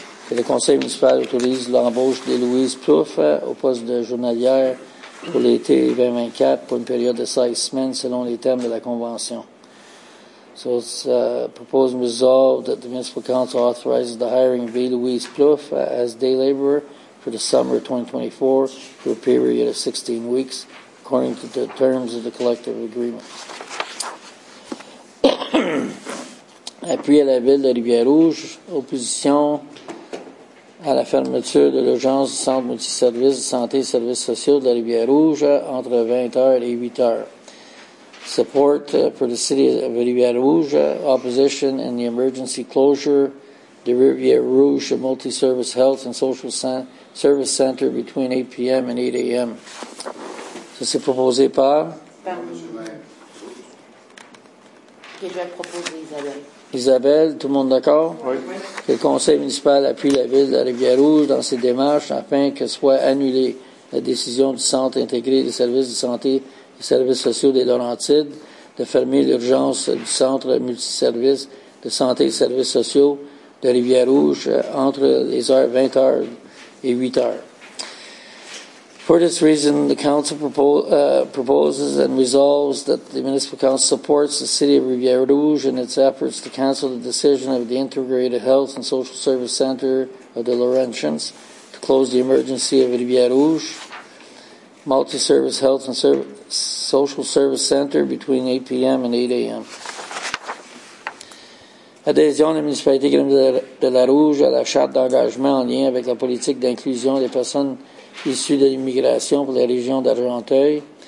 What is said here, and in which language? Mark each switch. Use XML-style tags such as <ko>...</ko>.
<fr>Que le conseil municipal autorise l'embauche de Louise Plouf au poste de journalière pour l'été 2024 pour une période de 16 semaines selon les termes de la convention.</fr> <en>So it's proposed and resolved that the municipal council authorizes the hiring of B. Louise Plouf as day laborer for the summer 2024 for a period of 16 weeks according to the terms of the collective agreement.</en> <fr>Appui à la ville de Rivière-Rouge, opposition à la fermeture de l'urgence du centre multiservice de santé et services sociaux de la Rivière-Rouge entre 20h et 8h.</fr> <en>Support for the city of Rivière-Rouge, opposition and the emergency closure the Rivière-Rouge multi-service health and social service center between 8 p.m. and 8 a.m.</en> <fr>Ça, c'est proposé par? Par M. Que je vais proposer, Isabelle. Isabelle, tout le monde d'accord? Oui. Que le conseil municipal appuie la ville de la Rivière-Rouge dans ses démarches afin que soit annulée la décision du centre intégré des services de santé les services sociaux des Laurentides, de fermer l'urgence du centre multiservice de santé et services sociaux de Rivière-Rouge entre les heures 20h et 8h.</fr> <en>For this reason, the council proposes and resolves that the municipal council supports the city of Rivière-Rouge in its efforts to cancel the decision of the Integrated Health and Social Service Center of the Laurentians to close the emergency of Rivière-Rouge Multi-service health and social service center between 8 p.m. and 8 a.m.</en> <fr>Adhésion de la municipalité de la Rouge à la charte d'engagement en lien avec la politique d'inclusion des personnes issues de l'immigration pour les régions d'Argenteuil.</fr>